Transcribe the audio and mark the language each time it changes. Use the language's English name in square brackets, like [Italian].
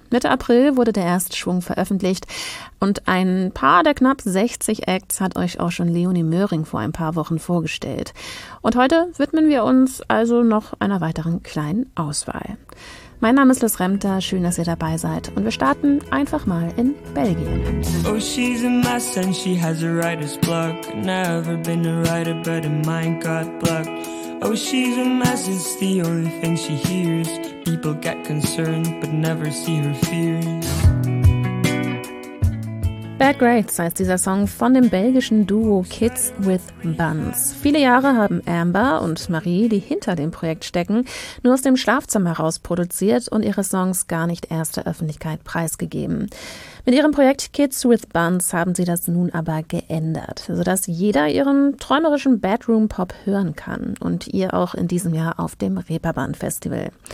[German] Mitte April wurde der erste Schwung veröffentlicht und ein paar der knapp 60 Acts hat euch auch schon Leonie Möhring vor ein paar Wochen vorgestellt. Und heute widmen wir uns also noch einer weiteren kleinen Auswahl. Mein Name ist Liz Remter, schön, dass ihr dabei seid und wir starten einfach mal in Belgien. [English] Oh, she's a mess and she has a writer's block. Never been a writer, but her mind got blocked. Oh, she's a mess, it's the only thing she hears. People get concerned, but never see her fears. [German] Bad Grades heißt dieser Song von dem belgischen Duo Kids with Buns. Viele Jahre haben Amber und Marie, die hinter dem Projekt stecken, nur aus dem Schlafzimmer heraus produziert und ihre Songs gar nicht erst der Öffentlichkeit preisgegeben. Mit ihrem Projekt Kids with Buns haben sie das nun aber geändert, sodass jeder ihren träumerischen Bedroom-Pop hören kann und ihr auch in diesem Jahr auf dem Reeperbahn-Festival.